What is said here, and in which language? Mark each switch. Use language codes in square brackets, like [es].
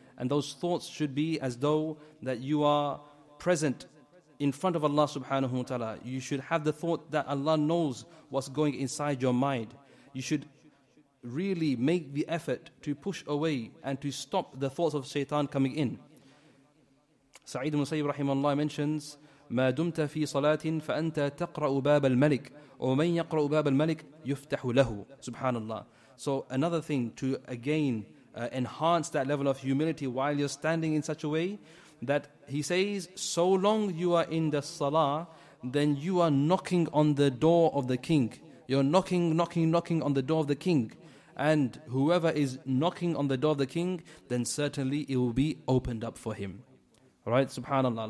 [en] And those thoughts should be as though that you are present in front of Allah subhanahu wa ta'ala. You should have the thought that Allah knows what's going inside your mind. You should really make the effort to push away and to stop the thoughts of shaitan coming in. Sa'id ibn Musayyib rahimahullah mentions, [ar] مَا دُمْتَ فِي صَلَاةٍ فَأَنْتَ تَقْرَأُ بَابَ الْمَلِكِ وَمَنْ يَقْرَأُ بَابَ الْمَلِكِ يُفْتَحُ لَهُ Subhanallah. [en] So another thing to again enhance that level of humility while you're standing in such a way that he says, so long you are in the salah, then you are knocking on the door of the king. You're knocking, knocking, knocking on the door of the king. And whoever is knocking on the door of the king, then certainly it will be opened up for him. Right? Subhanallah.